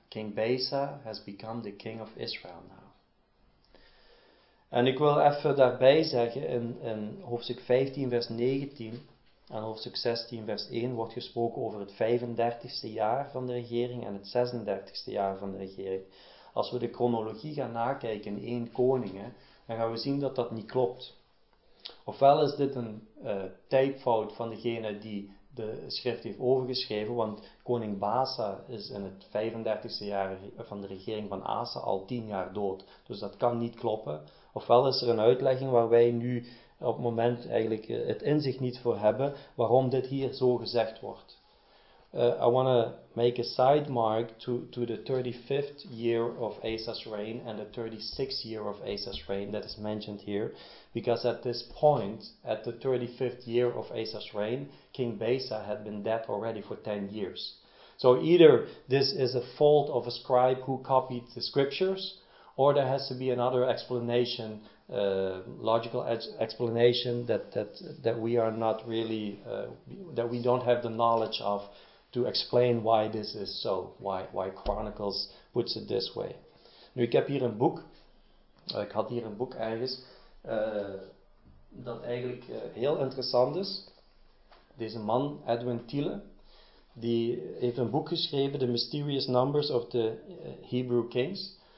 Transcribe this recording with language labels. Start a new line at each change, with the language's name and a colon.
English: King Baasa has become the king of Israel now.
Dutch: En ik wil even daarbij zeggen, in hoofdstuk 15 vers 19 en hoofdstuk 16 vers 1 wordt gesproken over het 35ste jaar van de regering en het 36ste jaar van de regering. Als we de chronologie gaan nakijken in 1 Koningen, dan gaan we zien dat dat niet klopt. Ofwel is dit een typfout van degene die de schrift heeft overgeschreven, want koning Baasa is in het 35ste jaar van de regering van Asa al 10 jaar dood. Dus dat kan niet kloppen. Ofwel is er een uitlegging waar wij nu op het moment eigenlijk het inzicht niet voor hebben, waarom dit hier zo gezegd wordt.
English: I want to make a side mark to the 35th year of Asa's reign and the 36th year of Asa's reign that is mentioned here. Because at this point, at the 35th year of Asa's reign, King Baasa had been dead already for 10 years. So either this is a fault of a scribe who copied the scriptures, or there has to be another explanation, logical explanation that we are not really, that we don't have the knowledge of, to explain why this is so, why Chronicles puts it this way.
Dutch: Nu, ik heb hier een boek, ik had hier een boek ergens, dat eigenlijk heel interessant is. Deze man, Edwin Thiele, die heeft een boek geschreven, The Mysterious Numbers of the Hebrew Kings.